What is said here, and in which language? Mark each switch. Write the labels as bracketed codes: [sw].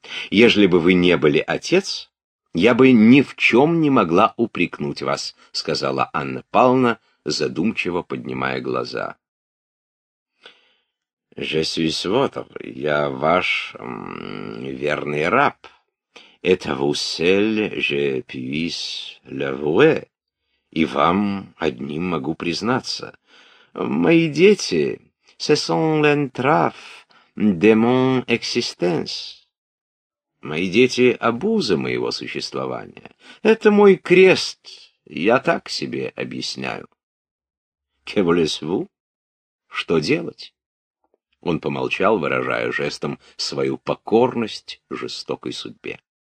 [ru] Ежели бы вы не были отец, я бы ни в чем не могла упрекнуть вас», — сказала Анна Павловна, задумчиво поднимая глаза. [fr] «Je suis votre, [ru] я ваш верный раб. [fr] Et vous seul je puis l'avouer, [ru] и вам одним могу признаться. Мои дети, [fr] ce sont l'entrave de mon existence. [ru] Мои дети — обуза моего существования. Это мой крест, я так себе объясняю». [fr] «Que voulez-vous?» — [ru] «Что делать?» Он помолчал, выражая жестом свою покорность жестокой судьбе.